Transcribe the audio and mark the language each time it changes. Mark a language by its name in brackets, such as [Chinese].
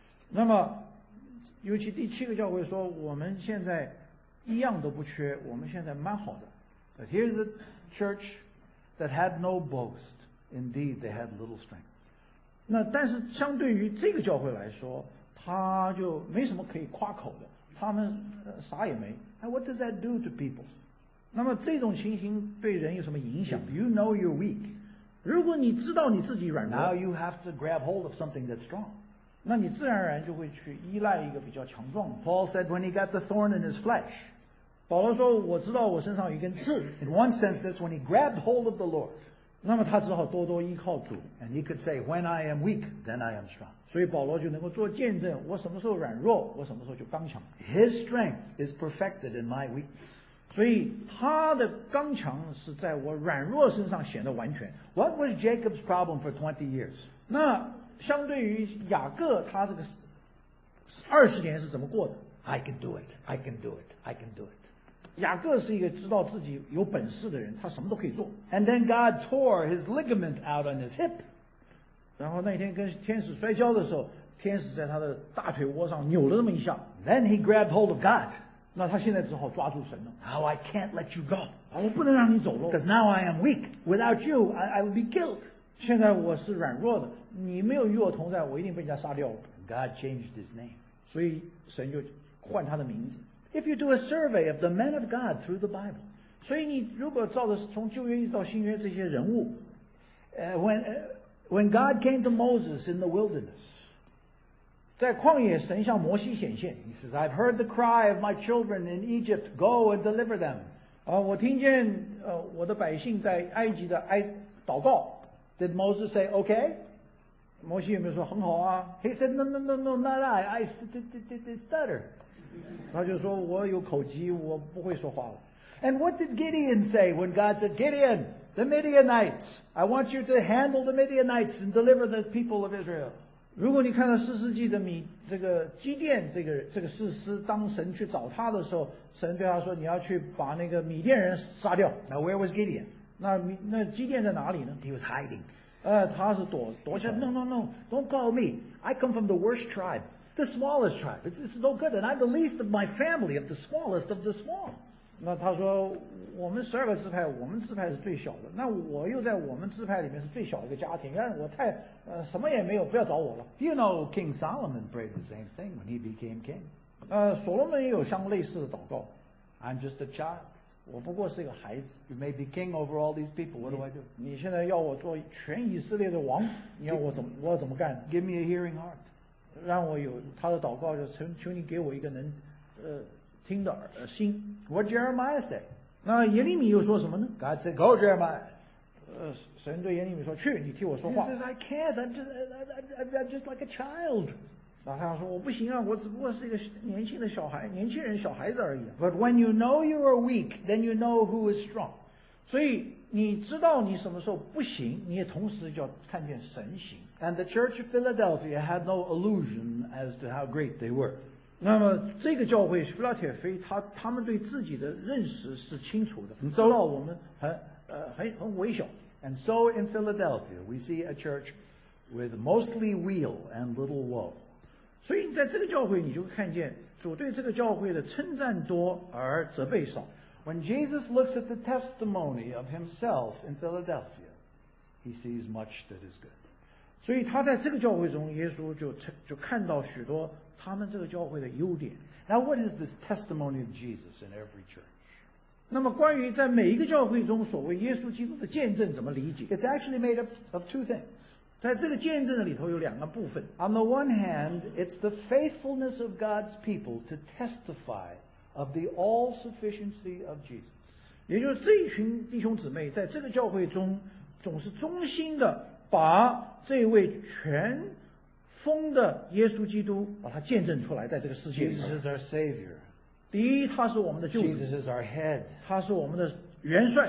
[Chinese] 那么尤其第七个教会说我们现在一样都不缺，我们现在蛮好的。 [English] But here's a church that had no boast. Indeed, they had little strength. [Chinese] 那但是相对于这个教会来说，他就没什么可以夸口的，他们啥也没。 [English] And what does that do to people? [Chinese] 那么这种情形对人有什么影响？ [English] If you know you're weak, [Chinese] 如果你知道你自己软弱， [English] Now you have to grab hold of something that's strong. [Chinese] 那你自然而然就会去依赖一个比较强壮的。 [English] Paul said when he got the thorn in his flesh, [Chinese] 保罗说我知道我身上有一根刺。 [English] In one sense, that's when he grabbed hold of the Lord. [Chinese] 那么他只好多多依靠主。 [English] And he could say, when I am weak, then I am strong. [Chinese] 所以保罗就能够做见证，我什么时候软弱，我什么时候就刚强。 [English] His strength is perfected in my weakness. [Chinese] 所以他的刚强是在我软弱身上显得完全。 [English] What was Jacob's problem for 20 years? [Chinese] 那相对于雅各他这个二十年是怎么过的？ [English] I can do it, I can do it, I can do it. [Chinese] 雅各是一个知道自己有本事的人，他什么都可以做。 [English] And then God tore his ligament out on his hip. [Chinese] 然后那天跟天使摔跤的时候，天使在他的大腿窝上扭了那么一下。 [English] Then he grabbed hold of God. [Chinese] 那他现在只好抓住神了。 [English] Now I can't let you go. [Chinese] 我不能让你走喽。 [English] Because now I am weak. Without you, I will be killed. [Chinese] 现在我是软弱的，你没有与我同在，我一定被人家杀掉了。 [English] God changed his name. [Chinese] 所以神就换他的名字。 [English] If you do a survey of the men of God through the Bible, [Chinese] 所以你如果照着从旧约一直到新约这些人物 [English] when God came to Moses in the wilderness. [Chinese] 在旷野神向摩西显现 [English] He says, I've heard the cry of my children in Egypt. Go and deliver them. [Chinese] 我听见我的百姓在埃及的祷告。 [English] Did Moses say, okay? [Chinese] 摩西有没有说很好啊 [English] He said, no, not I stutter. [Chinese] 他就说我有口疾我不会说话了。 [English] And what did Gideon say when God said, Gideon, the Midianites, I want you to handle the Midianites and deliver the people of Israel. [Chinese] 如果你看到四世纪的米这个基甸这个士师，当神去找他的时候，神对他说：“你要去把那个米甸人杀掉。” [English] Now where was Gideon? [Chinese] 那基甸在哪里呢 [English] ？He was hiding. [Chinese] 他是躲起来。 [English] No, don't call me. I come from the worst tribe, the smallest tribe. It's no good, and I'm the least of my family, of the smallest of the small. [Chinese] 那他说：“我们十二个支派，我们支派是最小的。那我又在我们支派里面是最小的一个家庭，但我太……”什么也没有，不要找我了。 [English] You know, King Solomon prayed the same thing when he became king. [Chinese] 所罗门也有像类似的祷告。 [English] I'm just a child. [Chinese] 我不过是一个孩子。 [English] You may be king over all these people. What do I do? [Chinese] 你现在要我做全以色列的王，你要我怎么干 [English] ？Give me a hearing heart. [Chinese] 让我有他的祷告，就是求你给我一个能听的心。 [English] What Jeremiah said? [Chinese] 那耶利米又说什么呢 [English] ？God said, "Go, Jeremiah." [Chinese] 神对耶利米说去你替我说话 [English] He says I can't I'm just like a child [Chinese] 然后他说我不行啊，我只不过是一个年轻的小孩，年轻人小孩子而已。 [English] But when you know you are weak, then you know who is strong. [Chinese] 所以你知道你什么时候不行，你也同时就要看见神行。 [English] And the Church of Philadelphia had no illusion as to how great they were. [Chinese] 那么这个教会菲拉铁菲，他们对自己的认识是清楚的，知道我们很微小。 [English] And so in Philadelphia, we see a church with mostly weal and little woe. [Chinese] 所以在这个教会，你就看见主对这个教会的称赞多而责备少。 [English] When Jesus looks at the testimony of himself in Philadelphia, he sees much that is good. [Chinese] 所以他在这个教会中，耶稣就看到许多他们这个教会的优点。 [English] Now, what is this testimony of Jesus in every church? [Chinese] 那么关于在每一个教会中所谓耶稣基督的见证怎么理解？ [English] It's actually made up of two things. [Chinese] 在这个见证里头有两个部分。 [English] On the one hand, it's the faithfulness of God's people to testify of the all-sufficiency of Jesus. [Chinese] 也就是这一群弟兄姊妹在这个教会中总是忠心的把这位全丰的耶稣基督把它见证出来在这个世界上。 [English] Jesus is our Savior. [Chinese] 第一，他是我们的救主。 [English] Jesus is our head. [Chinese] 他是我们的元帅。